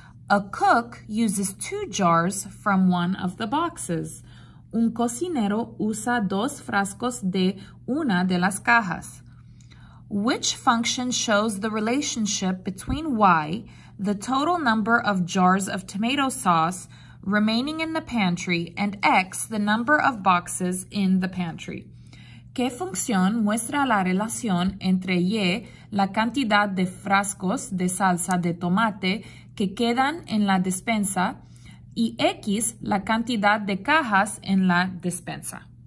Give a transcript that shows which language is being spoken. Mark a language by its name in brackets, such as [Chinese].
[English] A cook uses 2 jars from one of the boxes. [Spanish] Un cocinero usa 2 frascos de una de las cajas. [English] Which function shows the relationship between Y, the total number of jars of tomato sauce remaining in the pantry, and X, the number of boxes in the pantry? [Spanish] ¿Qué función muestra la relación entre Y, la cantidad de frascos de salsa de tomate que quedan en la despensa, y X, la cantidad de cajas en la despensa?